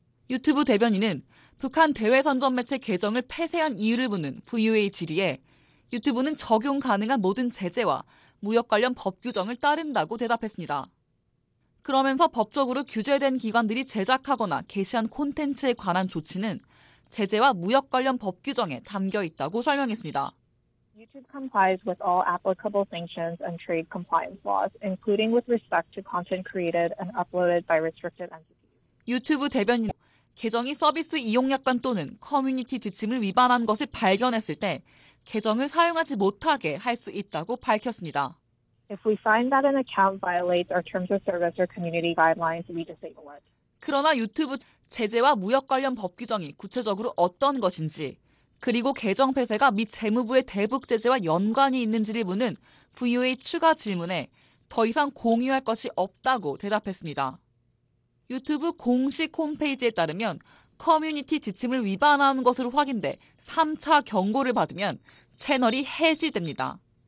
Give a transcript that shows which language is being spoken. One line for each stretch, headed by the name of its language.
Korean: 유튜브 대변인은 북한 대외 선전 매체 계정을 폐쇄한 이유를 묻는 VOA 질의에 유튜브는 적용 가능한 모든 제재와 무역 관련 법 규정을 따른다고 대답했습니다. 그러면서 법적으로 규제된 기관들이 제작하거나 게시한 콘텐츠에 관한 조치는 제재와 무역 관련 법 규정에 담겨 있다고 설명했습니다.
English: YouTube complies with all applicable sanctions and trade compliance laws, including with respect to content created and uploaded by restricted entities.
Korean: 유튜브 대변인 계정이 서비스 이용약관 또는 커뮤니티 지침을 위반한 것을 발견했을 때 계정을 사용하지 못하게 할 수 있다고 밝혔습니다.
English: If we find that an account violates our terms of service or community guidelines, we disable it.
Korean: 그러나 유튜브 제재와 무역 관련 법 규정이 구체적으로 어떤 것인지 그리고 계정 폐쇄가 및 재무부의 대북 제재와 연관이 있는지를 묻는 VOA 추가 질문에 더 이상 공유할 것이 없다고 대답했습니다. 유튜브 공식 홈페이지에 따르면 커뮤니티 지침을 위반한 것으로 확인돼 3차 경고를 받으면 채널이 해지됩니다.